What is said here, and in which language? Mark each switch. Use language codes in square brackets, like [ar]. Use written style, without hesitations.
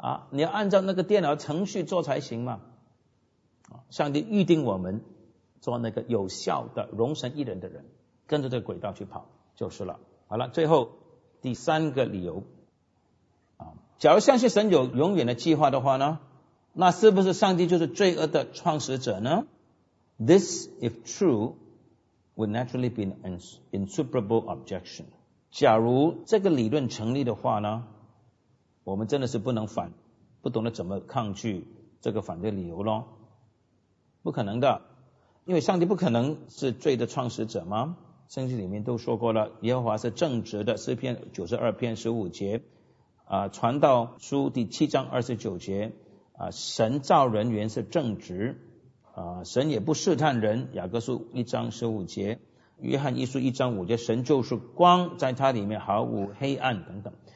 [zh] 你要按照那个电脑程序做才行嘛。上帝预定我们做那个有效的容神一人的人，跟着这个轨道去跑就是了。好了，最后第三个理由，假如相信神有永远的计划的话呢，那是不是上帝就是罪恶的创始者呢？ [en] This if true would naturally be an insuperable objection. [zh] 假如这个理论成立的话呢，我们真的是不能反，不懂得怎么抗拒这个反对理由咯，不可能的。因为上帝不可能是罪的创始者吗？圣经里面都说过了，耶和华是正直的，诗篇92篇15节传道书第七章29节神造人原是正直神也不试探人，雅各书一章15节，约翰一书一章5节，神就是光，在他里面毫无黑暗等等。